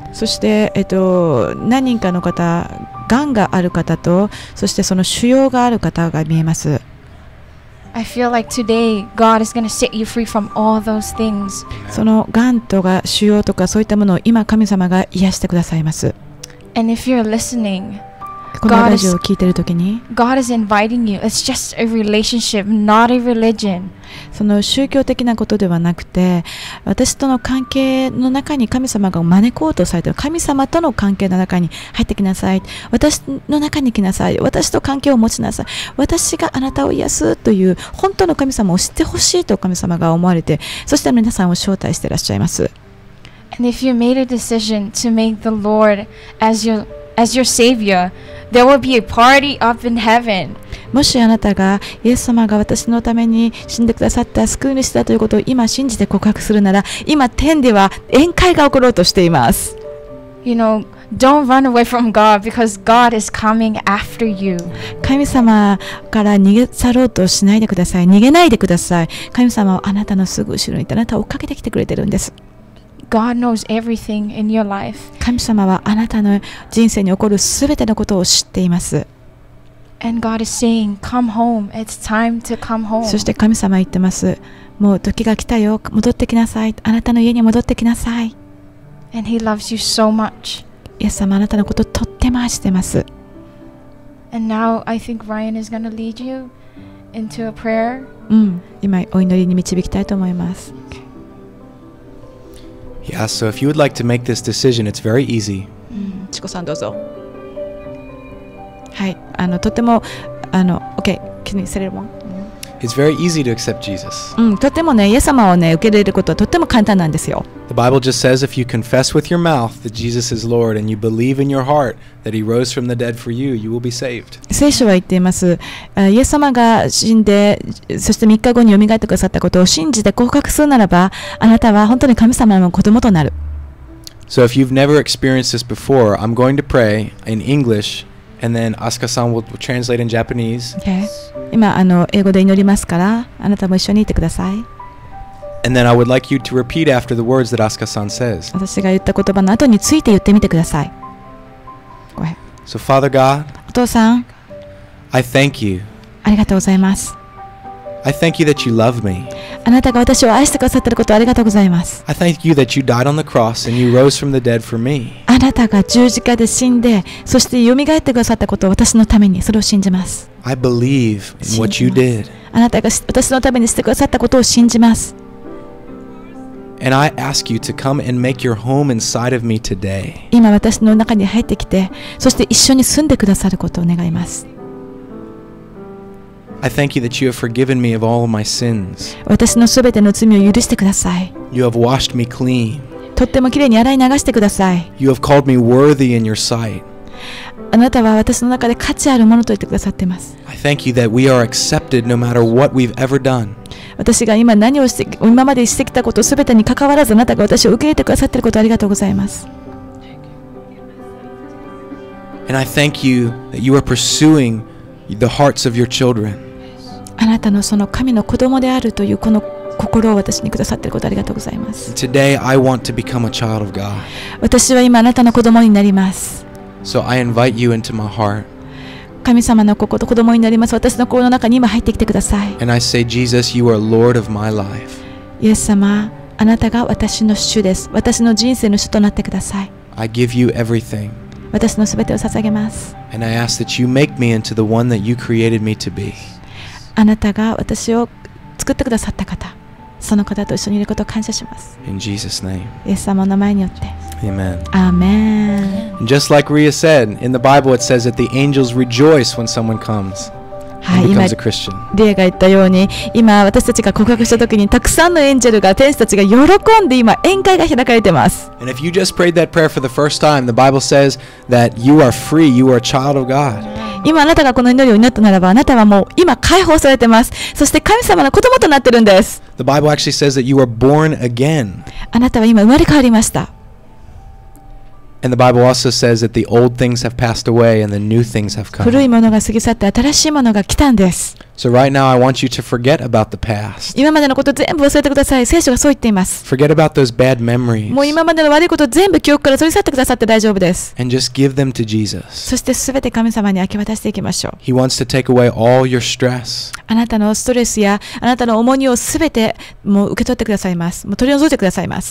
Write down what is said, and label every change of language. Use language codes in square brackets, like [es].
[ja] そして、何人かの方、がんがある方と、そしてその腫瘍がある方が見えます。 [en] I feel like today God is going to set you free from all those things. [ja] そのがんとか腫瘍とかそういったものを今神様が癒してくださいます。 [en] And if you're listening, [ja] このラジオを聞いているときに [en] God is inviting you. It's just a relationship, not a religion. [ja] その宗教的なことではなくて、私との関係の中に神様が招こうとされている。神様との関係の中に入ってきなさい。私の中に来なさい。私と関係を持ちなさい。私があなたを癒すという本当の神様を知ってほしいと神様が思われて、そして皆さんを招待していらっしゃいます。 [en] And if you made a decision to make the Lord as your Savior, there will be a party up in heaven. [ja] もしあなたがイエス様が私のために死んでくださった救い主だということを今信じて告白するなら、今天では宴会が起ころうとしています。 [en] You know, don't run away from God because God is coming after you. [ja] 神様から逃げ去ろうとしないでください。逃げないでください。神様はあなたのすぐ後ろにいて、あなたを追っかけてきてくれてるんです。 [en] God knows everything in your life. [ja] 神様はあなたの人生に起こるすべてのことを知っています。 [en] And God is saying, "Come home. It's time to come home." [ja] そして神様は言ってます。もう時が来たよ。戻ってきなさい。あなたの家に戻ってきなさい。 [en] And He loves you so much. [ja] イエス様はあなたのことをとっても愛してます。 [en] And now I think Ryan is going to lead you into a prayer. [ja] うん。今お祈りに導きたいと思います。 [en] Yeah, so if you would like to make this decision, it's very easy. [ja] Chiko san, dozo. Hai, totemo, [en] okay, can you say it one? It's very easy to accept Jesus. [ja] Totemo ne, Yesama o ne, ukereることはとても簡単なんですよ。 [en] The Bible just says if you confess with your mouth that Jesus is Lord and you believe in your heart that He rose from the dead for you, you will be saved. [ja] 聖書は言っています。イエス様が死んで、そして3日後に蘇ってくださったことを信じて告白するならば、あなたは本当に神様の子供となる。 [en] So if you've never experienced this before, I'm going to pray in English. And then Asuka-san will translate in Japanese. Okay. [ja] 今英語で祈りますから、あなたも一緒にいてください。 [en] And then I would like you to repeat after the words that Asuka-san says. [ja] 私が言った言葉の後について言ってみてください。 [en] Go ahead. So Father God, [ja] お父さん、 [en] I thank you. [ja] ありがとうございます。 [en] I thank you that you love me. [ja] あなたが私を愛してくださっていることありがとうございます。 [en] I thank you that you died on the cross and you rose from the dead for me. [ja] あなたが十字架で死んで、そして蘇ってくださったことを私のために、それを信じます。 [en] I believe in what you did. [ja] あなたが私のためにしてくださったことを信じます。 [en] And I ask you to come and make your home inside of me today. [ja] 今私の中に入ってきて、そして一緒に住んでくださることを願います。 [en] I thank you that you have forgiven me of all of my sins. [ja] 私のすべての罪を許してください。 [en] You have washed me clean. [ja] とってもきれいに洗い流してください。 [en] You have called me worthy in your sight. [ja] あなたは私の中で価値あるものと言ってくださっています。 [en] I thank you that we are accepted no matter what we've ever done. [ja] 私が今何をして、今までしてきたことすべてに関わらずあなたが私を受け入れてくださっていることありがとうございます。 [en] And I thank you that you are pursuing the hearts of your children. [ja] あなたのその神の子供であるというこの心を私にくださっていることありがとうございます。 [en] Today, I want to become a child of God. [ja] 私は今あなたの子供になります。 [en] So I invite you into my heart. [ja] 神様の心と子供になります。私の心の中に今入ってきてください。 [en] And I say, Jesus, you are Lord of my life. [ja] イエス様、あなたが私の主です。私の人生の主となってください。 [en] I give you everything. [ja] 私のすべてを捧げます。 [en] And I ask that you make me into the one that you created me to be. [ja] あなたが私を作ってくださった方、その方と一緒にいることを感謝します。 [en] In Jesus' name. [ja] イエス様の名前によって。 [en] Amen. Amen. Just like Rhea said, in the Bible it says that the angels rejoice when someone comes. [ja] はい、今、 [en] becomes a Christian. [ja] リエが言ったように、今私たちが告白した時にたくさんのエンジェルが、天使たちが喜んで今宴会が開かれてます。 [en] And if you just prayed that prayer for the first time, the Bible says that you are free, you are a child of God. [ja] 今あなたがこの祈りを祈ったならば、あなたはもう今解放されてます。そして神様の子供となってるんです。 [en] The Bible actually says that you are born again. [ja] あなたは今生まれ変わりました。 [en] And the Bible also says that the old things have passed away and the new things have come. [ja] 古いものが過ぎ去って新しいものが来たんです。 [en] So right now I want you to forget about the past. [ja] 今までのこと全部忘れてください。聖書がそう言っています。 [en] Forget about those bad memories. [ja] もう今までの悪いこと全部記憶から取り去ってくださって大丈夫です。 [en] And just give them to Jesus. [ja] そして全て神様に明け渡していきましょう。 [en] He wants to take away all your stress. [ja] あなたのストレスやあなたの重荷を全てもう受け取ってくださいます。もう取り除いてくださいます。